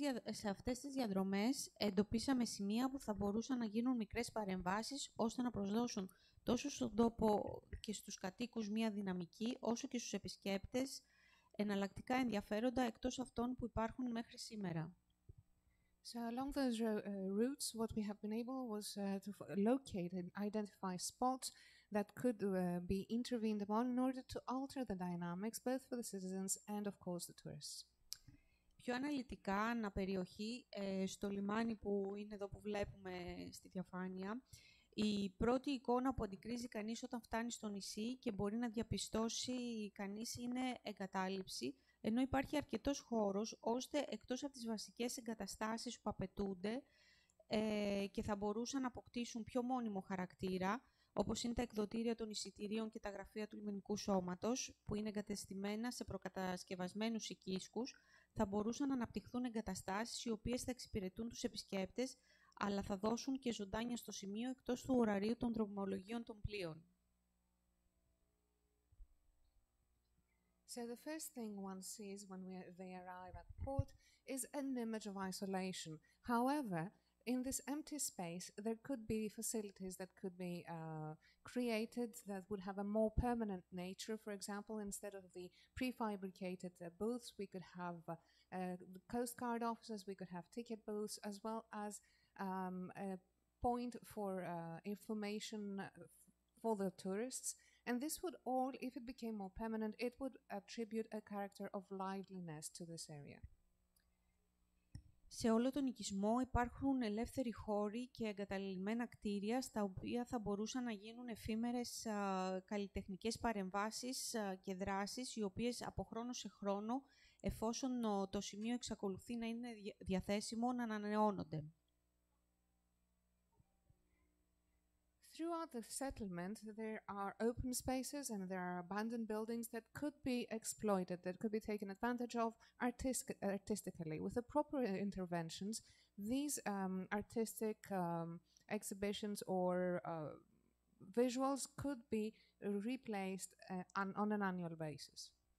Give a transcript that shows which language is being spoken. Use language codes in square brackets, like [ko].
[el] Σε αυτές τις διαδρομές εντοπίσαμε σημεία που θα μπορούσαν να γίνουν μικρές παρεμβάσεις ώστε να προσδώσουν τόσο στον τόπο και στους κατοίκους μία δυναμική, όσο και στους επισκέπτες, εναλλακτικά ενδιαφέροντα εκτός αυτών που υπάρχουν μέχρι σήμερα. [en] So along those routes, what we have been able was to locate and identify spots that could be intervened upon in order to alter the dynamics, both for the citizens and of course the tourists. [el] Πιο αναλυτικά, ανά περιοχή, στο λιμάνι που είναι εδώ που βλέπουμε στη διαφάνεια, η πρώτη εικόνα που αντικρίζει κανείς όταν φτάνει στο νησί και μπορεί να διαπιστώσει κανείς είναι εγκατάλειψη, ενώ υπάρχει αρκετός χώρος ώστε εκτός από τις βασικές εγκαταστάσεις που απαιτούνται και θα μπορούσαν να αποκτήσουν πιο μόνιμο χαρακτήρα, όπως είναι τα εκδοτήρια των εισιτηρίων και τα γραφεία του λιμενικού σώματος, που είναι εγκατεστημένα σε προκατασκευασμένους οικίσκους, θα μπορούσαν να αναπτυχθούν εγκαταστάσεις οι οποίες θα εξυπηρετούν τους επισκέπτες, αλλά θα δώσουν και ζωντάνια στο σημείο εκτός του ωραρίου των δρομολογίων των πλοίων. [en] So the first thing one sees when they arrive at port is an image of isolation. However, in this empty space, there could be facilities that could be created that would have a more permanent nature. For example, instead of the prefabricated booths, we could have coast guard offices, we could have ticket booths, as well as a point for information for the tourists. And this would all, if it became more permanent, it would attribute a character of liveliness to this area. [el] Σε όλο τον οικισμό υπάρχουν ελεύθεροι χώροι και εγκαταλειμμένα κτίρια στα οποία θα μπορούσαν να γίνουν εφήμερες καλλιτεχνικές παρεμβάσεις και δράσεις, οι οποίες από χρόνο σε χρόνο, εφόσον το σημείο εξακολουθεί να είναι διαθέσιμο, να ανανεώνονται. [en] Throughout the settlement, there are open spaces and there are abandoned buildings that could be exploited, that could be taken advantage of artistically. With the proper interventions, these artistic exhibitions or visuals could be replaced on an annual basis.